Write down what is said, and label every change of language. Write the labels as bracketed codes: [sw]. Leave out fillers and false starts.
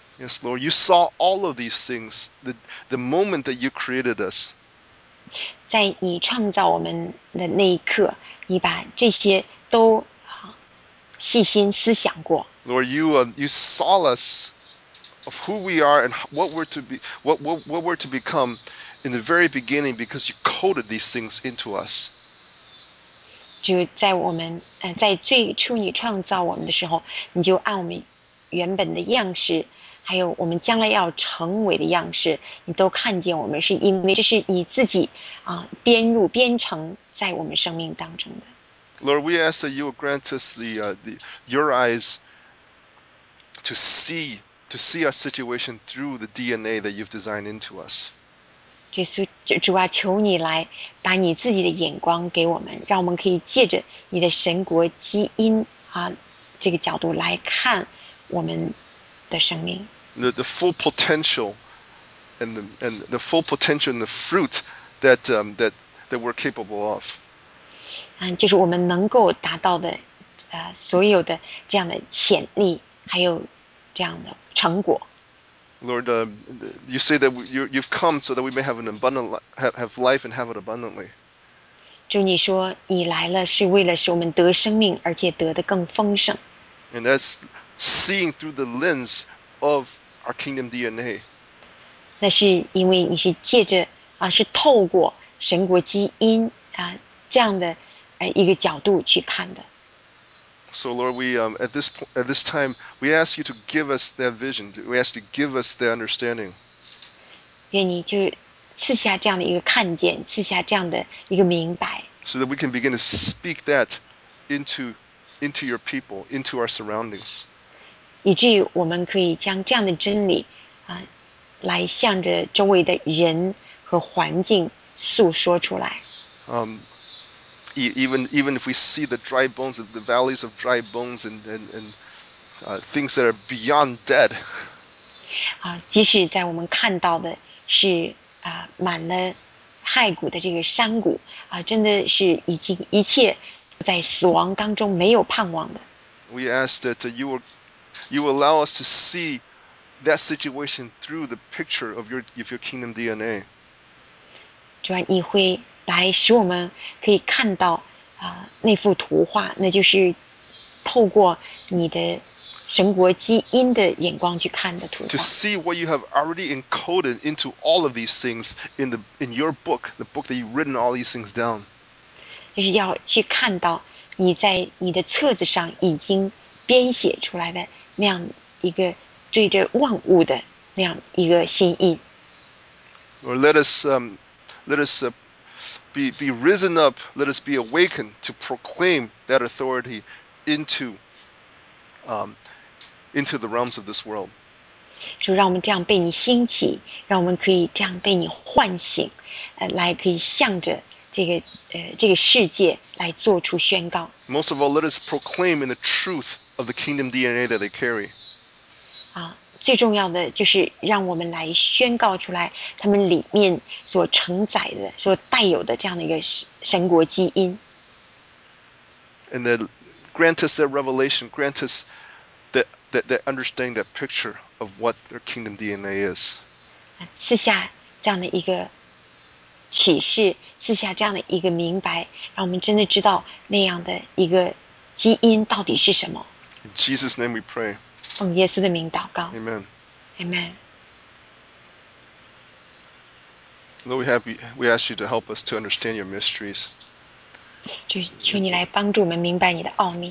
[en] Yes, Lord, you saw all of these things the moment that you created us. [zh] 在你创造我们的那一刻，你把这些都细心思想过。 [en] Lord, you saw us of who we are and what we're to be, what we're to become in the very beginning because you coded these things into us. [zh] 就在我们在最初你创造我们的时候，你就按我们原本的样式，还有我们将来要成为的样式，你都看见我们，是因为这是你自己编入编程在我们生命当中的。 [en] Lord, we ask that you will grant us your eyes to see our situation through the DNA that you've designed into us. [zh] 耶稣，主啊，求你来把你自己的眼光给我们，让我们可以借着你的神国基因这个角度来看我们的生命。 [en] The full potential and the full potential and the fruit that we're capable of. [zh] 就是我们能够达到的所有的这样的潜力还有这样的成果。 [en] Lord, you say that you've come so that we may have an abundant have life and have it abundantly. [zh] 主，你说你来了是为了使我们得生命，而且得的更丰盛。 [en] And that's seeing through the lens of our kingdom DNA. [zh] 那是因为你是借着是透过神国基因这样的一个角度去看的。 [en] So Lord, we at this time we ask you to give us that vision. We ask you to give us the understanding. [zh] 愿你就赐下这样的一个看见，赐下这样的一个明白。 [en] So that we can begin to speak that into your people, into our surroundings. [zh] 以至于我们可以将这样的真理来向着周围的人和环境诉说出来。 [en] Even if we see the dry bones, the valleys of dry bones, things that are beyond dead. [zh] 即使在我们看到的是满了骸骨的这个山谷真的是已经一切在死亡当中没有盼望的。 [en] We ask that you will allow us to see that situation through the picture of your kingdom DNA. [zh] 主啊，你会来使我们可以看到那幅图画，那就是透过你的神国基因的眼光去看的图画。 [en] To see what you have already encoded into all of these things in your book, the book that you've written all these things down. [zh] 就是要去看到你在你的册子上已经编写出来的那样一个对着万物的那样一个心意。 [en] Or let us be risen up, let us be awakened to proclaim that authority into the realms of this world. [zh] 主，让我们这样被你兴起，让我们可以这样被你唤醒，来可以向着这个世界来做出宣告。 [en] Most of all, let us proclaim in the truth of the kingdom DNA that they carry. [zh] 最重要的就是让我们来宣告出来他们里面所承载的、所带有的这样的一个神国基因。 [en] And then grant us that revelation, grant us that understanding, that picture of what their kingdom DNA is. [zh] 赐下这样的一个启示，赐下这样的一个明白，让我们真的知道那样的一个基因到底是什么。 [en] In Jesus' name we pray. [zh] 奉耶稣的名祷告。 [en] Amen. Amen. Lord, we ask you to help us to understand your mysteries. [zh] 就求你来帮助我们明白你的奥秘。